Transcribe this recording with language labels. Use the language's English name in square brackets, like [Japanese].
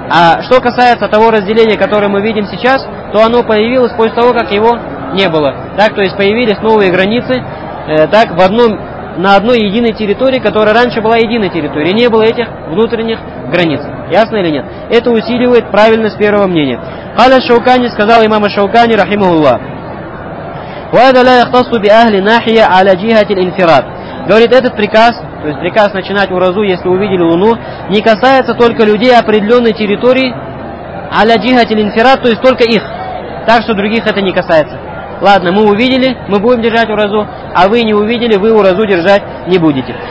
[Russian] А что касается того разделения, которое мы видим сейчас, то оно появилось после того, как его не было. Так, то есть появились новые границы, так, на одной единой территории, которая раньше была единой территорией. Не было этих внутренних границ. Ясно или нет? Это усиливает правильность первого мнения. [Arabic] Хала [Russian] Шаукани, сказал имам Шаукани, рахимахуллах. [Arabic] وهذا لا يختص بأهل ناحية على جهة الانفراد. [Russian] Говорит, этот приказ, то есть приказ начинать уразу, если увидели луну, не касается только людей определенной территории, [Arabic] аля джихат аль-инфирад, [Russian] то есть только их. Так что других это не касается. Ладно, мы увидели, мы будем держать уразу, а вы не увидели, вы уразу держать не будете.